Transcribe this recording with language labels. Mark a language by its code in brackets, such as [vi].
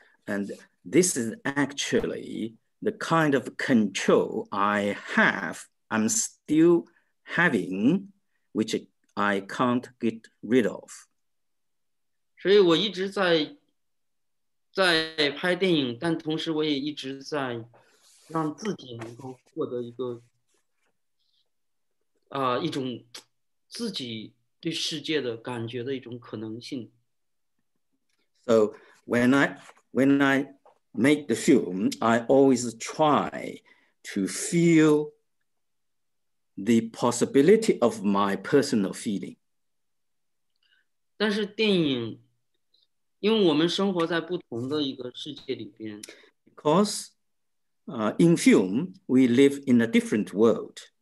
[en] And this is actually the kind of control I have, I'm still having, which I can't get rid of. [zh] 所以我一直在拍电影，但同时我也一直在 让自己能够获得一个一种自己对世界的感觉的一种可能性。 [en] So when I make the film, I always try to feel the possibility of my personal feeling. [zh] 但是电影，因为我们生活在不同的一个世界里边。 [en] Because in film, we live in a different world.